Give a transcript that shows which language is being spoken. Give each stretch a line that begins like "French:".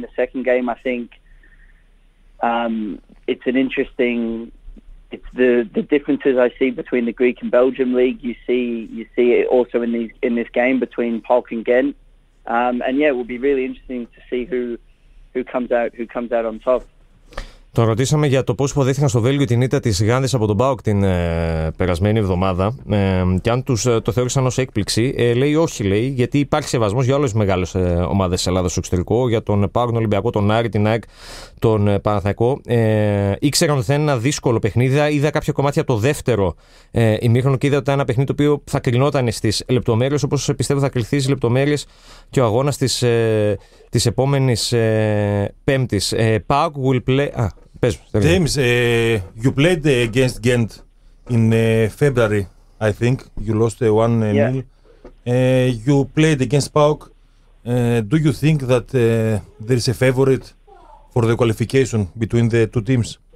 English: The second game, I think it's an interesting. It's the differences I see between the Greek and Belgium league. You see it also in this game between PAOK and Gent. It will be really interesting to see who comes out on top.
Greek: Τον ρωτήσαμε για το πώς υποδέχθηκαν στο Βέλγιο την ήττα της Γάνδης από τον ΠΑΟΚ την περασμένη εβδομάδα και αν τους το θεώρησαν ως έκπληξη. Λέει όχι, λέει, γιατί υπάρχει σεβασμός για όλες τις μεγάλες ομάδες της Ελλάδας στο εξωτερικό, για τον ΠΑΟΚ, τον Ολυμπιακό, τον Άρη, την ΑΕΚ, τον Παναθηναϊκό. Ήξεραν ότι θα είναι ένα δύσκολο παιχνίδι. Είδα κάποια κομμάτια το δεύτερο ημίχρονο και είδα ότι ήταν ένα παιχνίδι το οποίο θα κρινόταν στις λεπτομέρειες, όπως πιστεύω θα κληθεί στις λεπτομέρειες και ο αγώνας της επόμενης Πέμπτης.
English: ΠΑΟΚ will play. James, you played against Ghent in February, I think. You lost 1-0. You played against PAOK. Do you think that there is a favorite for the qualification between the two teams?